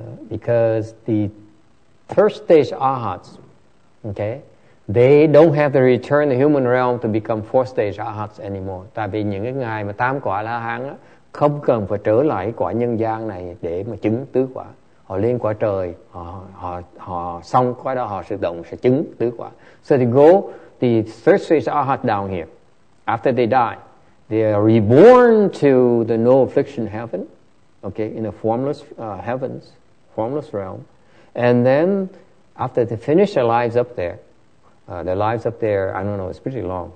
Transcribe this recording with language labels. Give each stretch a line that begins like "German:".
English: Because the third stage arhats, okay, they don't have to return the human realm to become fourth stage arhats anymore.
Vietnamese: Tại vì những cái ngày mà tam quả la hán á, không cần phải trở lại quả nhân gian này để mà chứng tứ quả. Họ lên quả trời, họ xong quả đó họ tự động sẽ chứng tứ quả.
English: So they go. The third stage arhat down here, after they die, they are reborn to the no affliction heaven, okay, in a formless heavens, formless realm. And then after they finish their lives up there, I don't know, it's pretty long.